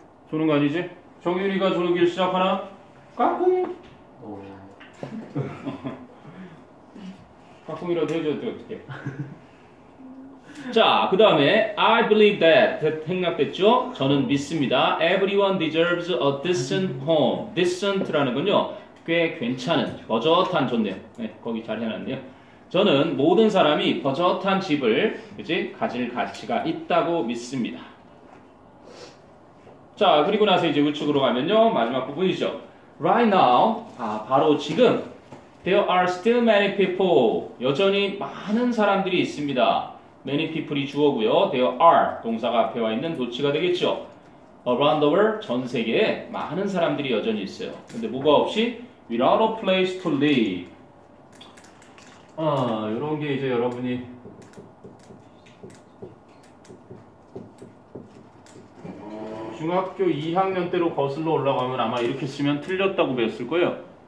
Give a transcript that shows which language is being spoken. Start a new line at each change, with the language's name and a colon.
Korean: 조는 거 아니지? 정윤이가 조는 길 시작하나? 까꿍! 까꿍이라도 해줘야 돼, 어떡해. 자, 그 다음에
English: I believe that.
Korean: 생각됐죠? 저는 믿습니다.
English: Everyone deserves a decent home.
Korean: Decent라는 건요, 꽤 괜찮은, 버젓한, 좋네요. 네, 거기 잘 해놨네요. 저는 모든 사람이 버젓한 집을, 그치, 가질 가치가 있다고 믿습니다. 자, 그리고 나서 이제 우측으로 가면요, 마지막 부분이죠.
English: Right now,
Korean: 아, 바로 지금,
English: there are still many people.
Korean: 여전히 많은 사람들이 있습니다. Many people이 주어고요.
English: There are,
Korean: 동사가 앞에 와 있는 도치가 되겠죠.
English: Around the world,
Korean: 전 세계에 많은 사람들이 여전히 있어요. 근데 뭐가 없이
English: without a place to live.
Korean: 아, 이런 게 이제 여러분이 중학교 2학년 때로 거슬러 올라가면 아마 이렇게 쓰면 틀렸다고 배웠을 거예요.